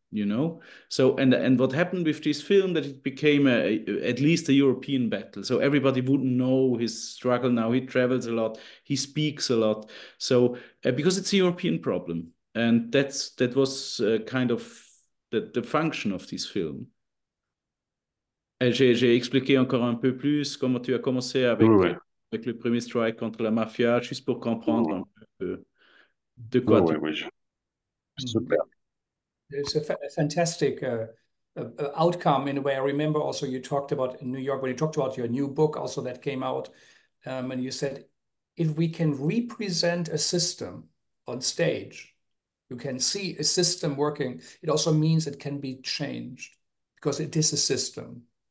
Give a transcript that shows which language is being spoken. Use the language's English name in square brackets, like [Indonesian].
[English] You know, so and what happened with this film, that it became at least a European battle. So everybody would know his struggle. Now he travels a lot, he speaks a lot. So because it's a European problem, and that was kind of the function of this film. [French] J'ai expliqué encore un peu plus comment tu as commencé avec le premier strike contre la mafia, juste pour comprendre un peu de quoi tu. Super. [English] It's a fantastic outcome in a way. I remember also you talked about in New York, when you talked about your new book also that came out, and you said, if we can represent a system on stage, you can see a system working, it also means it can be changed, because it is a system.